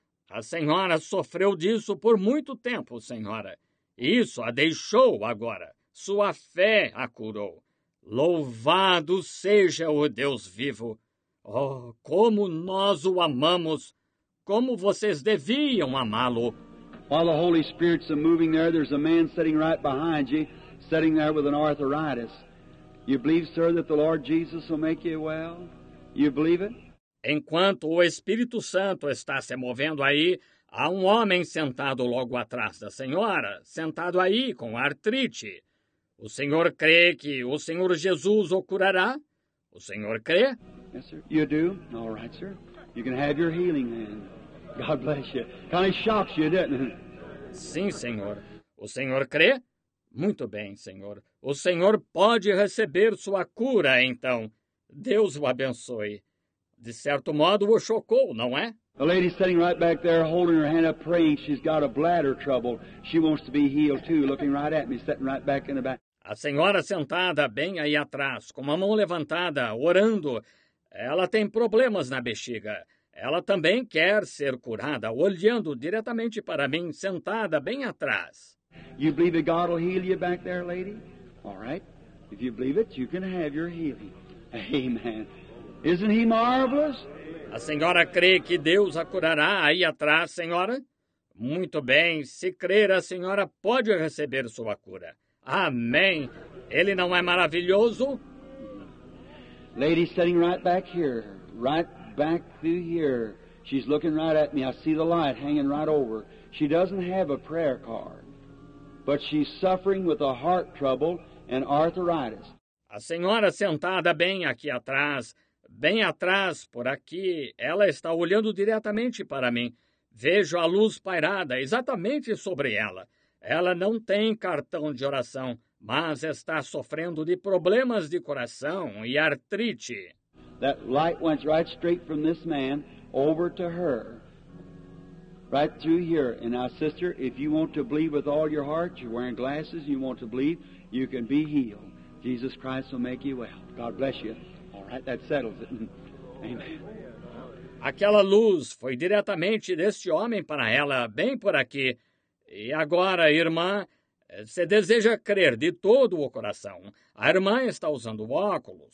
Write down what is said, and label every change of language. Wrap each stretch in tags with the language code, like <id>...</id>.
<pt>A senhora sofreu disso por muito tempo, senhora. Isso a deixou agora. Sua fé a curou. Louvado seja o Deus vivo. Oh, como nós o amamos. Como vocês deviam amá-lo.</pt> <en>While the Holy Spirit's moving there, there's a man sitting right behind you, sitting there with an arthritis. You believe, sir, that the Lord Jesus will make you well? You believe it?</en> <pt>Enquanto o Espírito Santo está se movendo aí, há um homem sentado logo atrás da senhora, sentado aí com artrite. O senhor crê que o Senhor Jesus o curará? O senhor crê?</pt> <en>Yes, sir. You do? All right, sir. You can have your healing then. God bless you. Kind of shocks you, doesn't it?</en> <pt>Sim, senhor. O senhor crê? Muito bem, senhor. O senhor pode receber sua cura, então. Deus o abençoe. De certo modo, o chocou, não é?</pt> <en>A lady sitting right back there, holding her hand up, praying. She's got a bladder trouble. She wants to be healed, too, looking right at me, sitting right back in the back.</en> <pt>A senhora sentada bem aí atrás, com a mão levantada, orando. Ela tem problemas na bexiga. Ela também quer ser curada, olhando diretamente para mim, sentada bem atrás.</pt> <en>You believe that God will heal you back there, lady? All right. If you believe it, you can have your healing. Amen. Isn't he marvelous?</en> <pt>A senhora crê que Deus a curará aí atrás, senhora? Muito bem, se crer, a senhora pode receber sua cura. Amém. Ele não é maravilhoso?</pt> <en>Lady sitting right back here, right back through here. She's looking right at me. I see the light hanging right over. She doesn't have a prayer card, but she's suffering with a heart trouble and arthritis.</en> <pt>A senhora sentada bem aqui atrás, bem atrás por aqui, ela está olhando diretamente para mim. Vejo a luz pairada exatamente sobre ela. Ela não tem cartão de oração, mas está sofrendo de problemas de coração e artrite.</pt> <en>That light went right straight from this man over to her, right through here. And now, sister, if you want to believe with all your heart, you're wearing glasses, you want to believe, you can be healed. Jesus Christ will make you well. God bless you. All right, that settles it. Amen.</en> <pt>Aquela luz foi diretamente deste homem para ela, bem por aqui. E agora, irmã, você deseja crer de todo o coração. A irmã está usando óculos.</pt>